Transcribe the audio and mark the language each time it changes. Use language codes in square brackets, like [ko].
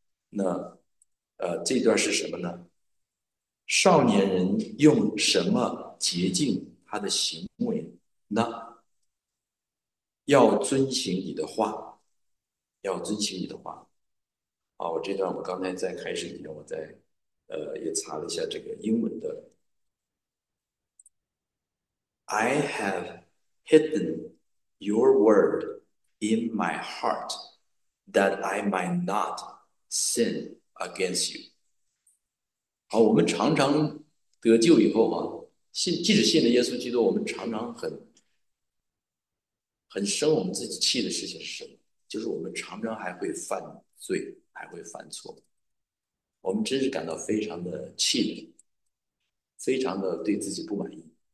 [zh] 那这段是什么呢？少年人用什么洁净他的行为呢？要遵行你的话，要遵行你的话。啊，我这段我刚才在开始以前，我在也查了一下这个英文的。 [en] I have hidden your word in my heart that I might not sin against you。 [zh] 好，我们常常得救以后啊，即使信了耶稣基督，我们常常很生我们自己气的事情是什么？就是我们常常还会犯罪，还会犯错，我们真是感到非常的气馁，非常的对自己不满意。